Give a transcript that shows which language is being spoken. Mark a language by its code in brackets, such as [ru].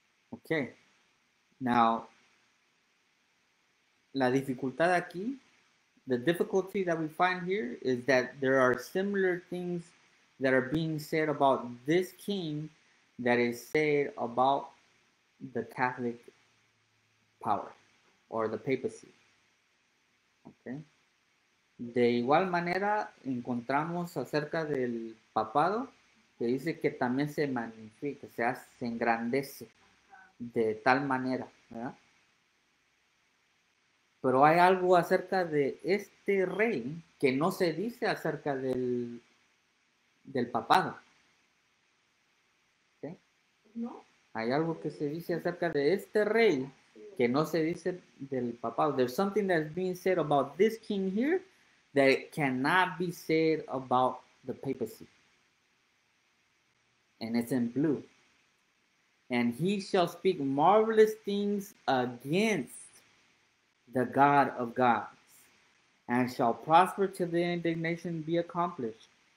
[en] Okay, now [es] la dificultad aquí, [en] the difficulty that we find here is that there are similar things that are being said about this king that is said about the Catholic power or the papacy. Okay. [es] De igual manera, encontramos acerca del papado que dice que también se magnifica, o sea, se engrandece de tal manera, ¿verdad? Pero hay algo acerca de este rey que no se dice acerca del papado. No. Hay algo que se dice acerca de este rey que no se dice del papado. [en] There's something that's being said about this king here that it cannot be said about the papacy. And it's in blue. And he shall speak marvelous things against the God of gods, and shall prosper till the indignation be accomplished.